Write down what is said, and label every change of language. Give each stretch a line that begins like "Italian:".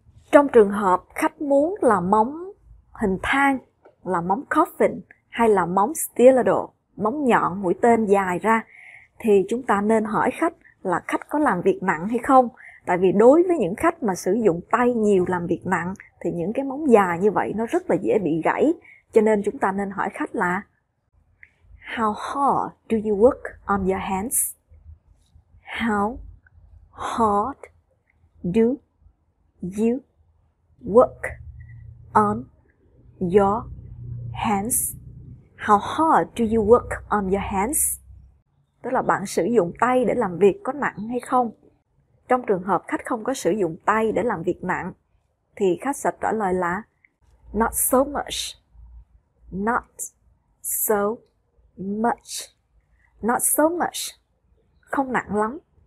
Vietnamese: Trong trường hợp khách muốn là móng hình thang, là móng coffin hay là móng stiletto, móng nhọn mũi tên dài ra, thì chúng ta nên hỏi khách là khách có làm việc nặng hay không. Tại vì đối với những khách mà sử dụng tay nhiều làm việc nặng thì những cái móng dài như vậy nó rất là dễ bị gãy. Cho nên chúng ta nên hỏi khách là
English: How hard do you work on your hands? How hard do you work on your hands? How hard do you work on your hands?
Vietnamese: Tức là bạn sử dụng tay để làm việc có nặng hay không? Trong trường hợp khách không có sử dụng tay để làm việc nặng, thì khách sẽ trả lời là
English: Not so much. Not so much. Not so much.
Vietnamese: Không nặng lắm.